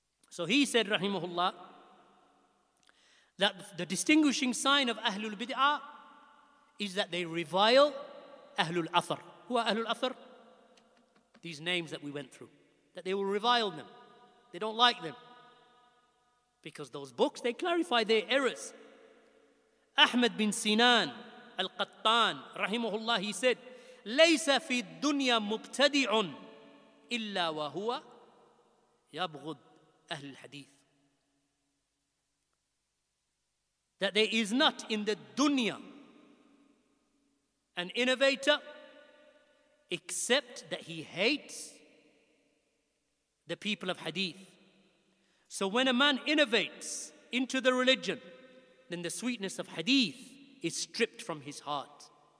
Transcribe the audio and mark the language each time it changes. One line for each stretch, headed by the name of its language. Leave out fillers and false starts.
English: So he said, rahimahullah, that the distinguishing sign of Ahlul Bid'ah is that they revile Ahlul Athar. Who are Ahlul Athar? These names that we went through. That they will revile them. They don't like them. Because those books, they clarify their errors. Ahmed bin Sinan Al-Qattan, rahimahullah, he said,
Arabic: لَيْسَ فِي الدُّنْيَا مُبْتَدِعٌ إِلَّا وَهُوَ يَبْغُدْ أَهْلِ الْحَدِيثِ.
English: That there is not in the dunya an innovator except that he hates the people of hadith. So when a man innovates into the religion, then the sweetness of hadith is stripped from his heart.